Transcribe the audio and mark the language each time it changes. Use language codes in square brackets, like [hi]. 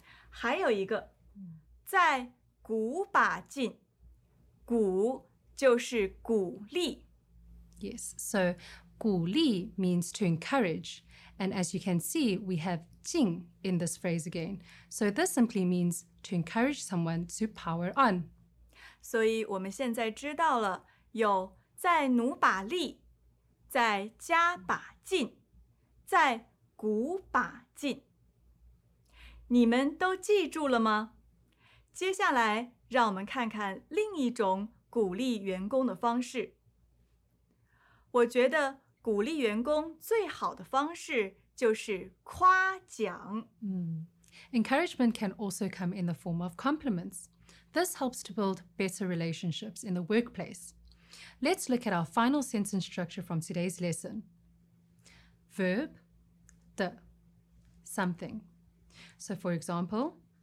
[zh] 还有一个，再鼓把劲，鼓就是鼓励。 [en] Yes, so 鼓励 means to encourage. And as you can see, we have 劲 in this phrase again. So this simply means to encourage someone to power on. [zh] 所以我们现在知道了有再努把力，再加把劲，再鼓把劲。你们都记住了吗？接下来，让我们看看另一种鼓励员工的方式。我觉得鼓励员工最好的方式就是夸奖。 [en] Encouragement can also come in the form of compliments. This helps to build better relationships in the workplace. Let's look at our final sentence structure from today's lesson. Verb, 的, something. So for example,